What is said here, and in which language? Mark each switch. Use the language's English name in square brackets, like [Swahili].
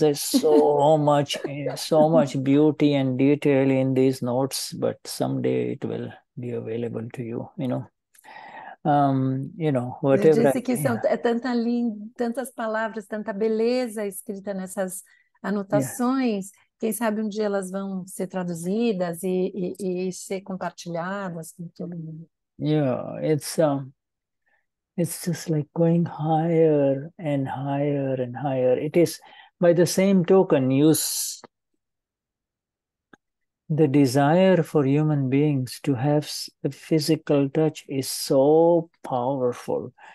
[English] There's so much beauty and detail in these notes, but someday it will be available to you, you know. You know, whatever. [Portuguese] Ele disse que é tanta tantas palavras, tanta beleza escrita nessas anotações. Quem sabe um dia elas vão ser traduzidas e ser compartilhadas com todo mundo. [English] It's just like going higher and higher and higher. It is, by the same token, the desire for human beings to have a physical touch is so powerful.